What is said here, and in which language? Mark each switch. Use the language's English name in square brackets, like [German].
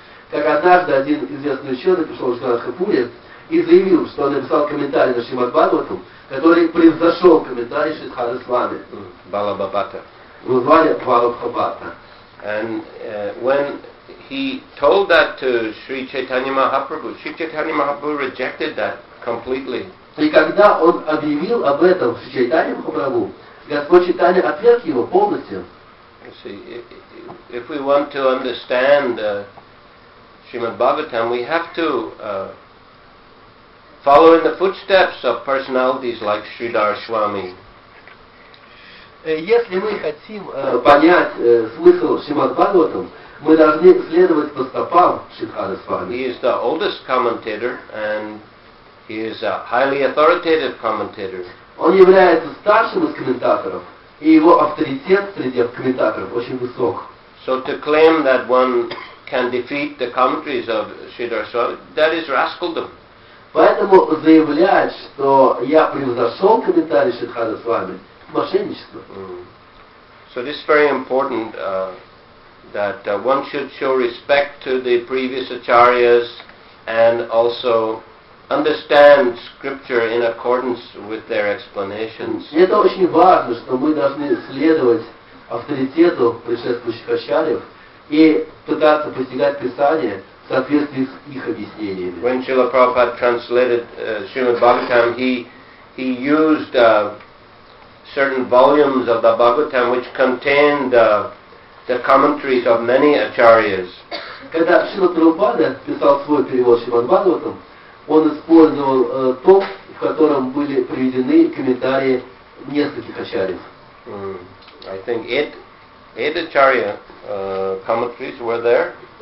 [Russian] Как однажды один известный ученый пришел в Шриланка-Пури и заявил, что он написал комментарий на Шримад Бхагаватам, который превзошел комментарий Шридхара Свами. Балабхабата. Его звали Балабхабата. [English] And when he told that to Sri Chaitanya Mahaprabhu, Sri Chaitanya Mahaprabhu rejected that completely. [Russian] И когда он объявил об этом Шри Чайтанья Махапрабху, Господь Чайтанья отверг его полностью. [English] See, if we want to understand Srimad Bhagavatam, we have to follow in the footsteps of personalities like Sridhar Swami. [Russian] Если мы хотим понять смысл Шримад Бхагаватам, мы должны следовать по стопам Шридхары Свами. [English] He is the oldest commentator, and he is a highly authoritative commentator. [Russian] Он является старшим из комментаторов, и его авторитет среди комментаторов очень высок. [English] So to claim that one can defeat the commentaries of Sridhar Swami, that is rascaldom. [Russian] Поэтому заявлять, что я превзошел комментарий Шридхары Свами, мошенничество. [English] So this is very important that one should show respect to the previous acharyas and also understand scripture in accordance with their explanations. [Russian] Это очень важно, что мы должны следовать авторитету предшествующих ачарьев и пытаться постигать Писание в соответствии с их объяснениями. [English] When Srila Prabhupada translated Srimad Bhagavatam, he used certain volumes of the Bhagavatam which contained the commentaries of many acharyas. [Russian] Когда Шрила Прабхупада писал свой перевод Шримад Бхагаватам, он использовал том, в котором были приведены комментарии нескольких ачарьев. [English] I think eight acharya commentaries were there.